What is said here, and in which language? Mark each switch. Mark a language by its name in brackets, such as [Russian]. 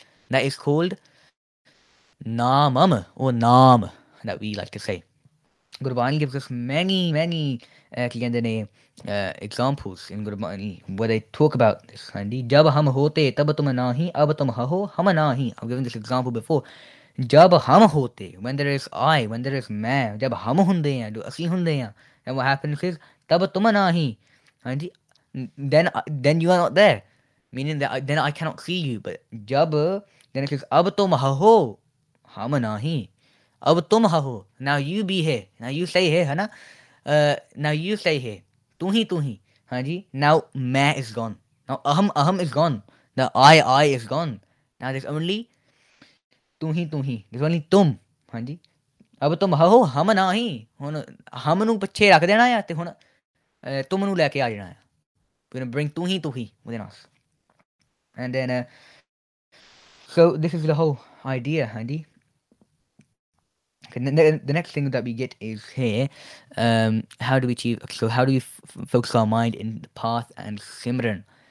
[English] That is called... Naamam, or Naam, that we like to say. Gurbani gives us many examples in Gurbani where they talk about this. [Punjabi] Jab ham hote tab tum nahi, ab tum haho hum nahi. [English] I've given this example before. [Punjabi] ਜਬ ਹਮ ਹੋਤੇ, [English] when there is I, when there is [Punjabi] ਮੈਂ, ਜਬ ਹਮ ਹੁੰਦੇ ਹੈਂ, ਜੋ ਅਸੀ ਹੁੰਦੇ ਹੈਂ, [English] and what happens is [Punjabi] ਤਬ ਤੁਮ ਨਾਹੀ. [English] Then you are not there, meaning that then I cannot see you. But [Punjabi] ਜਬ, [English] then it says [Punjabi] ਅਬ ਤੁਮ ਹਹੁ ਹਮ ਨਾਹੀ. Ab tum haho. [English] Now you be here. Now you stay here, hana. Now you stay here. Tu hi. Haji. Now main is gone. Now aham is gone. Now I is gone. Now there's only tu hi. There's only ਤੁਮ. Haji. [Punjabi] Ab tum haho hum nahi. ਹਮ ਨੂੰ ਪਿੱਛੇ ਰੱਖ ਦੇਣਾ ਇਆ ਤੇ ਹੁਣ ਤੁਮ ਨੂੰ ਲੈ ਕੇ ਆ ਜਾਣਾ ਇਆ. [English] We're gonna bring tu hi within us. And then so this is the whole idea, haji. The next thing that we get is here, how do we achieve, so how do we focus our mind in the path and Simran?